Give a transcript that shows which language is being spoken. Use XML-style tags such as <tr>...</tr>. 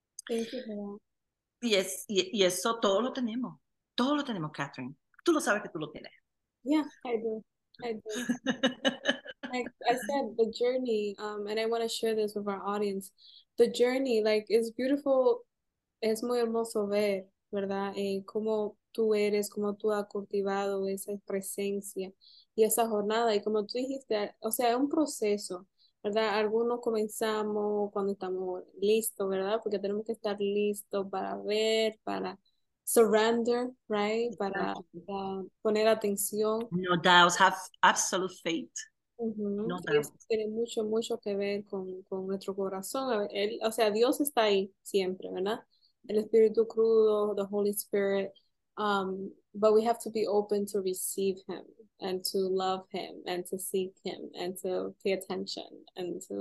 <en>Thank you.</en> <es>Yes, y eso todo lo tenemos. Todo lo tenemos, Catherine. Tú lo sabes que tú lo tienes.</es> <en>Yeah, I do. Like I said, the journey, and I want to share this with our audience. The journey, like, is beautiful. Es muy hermoso ver, ¿verdad?</en> <es>Cómo tú eres, cómo tú has cultivado esa presencia y esa jornada. Y como tú dijiste, o sea, es un proceso, ¿verdad? Algunos comenzamos cuando estamos listos, ¿verdad? Porque tenemos que estar listos para ver, para surrender, right? Para poner atención.</es> <en>No doubts, have absolute faith. Uh-huh.</en> <es>No, eso tiene mucho, mucho que ver con nuestro corazón. O sea, Dios está ahí siempre, ¿verdad?</es> <en>El Espíritu Crudo, the Holy Spirit, but we have to be open to receive Him and to love Him and to seek Him and to pay attention and</en>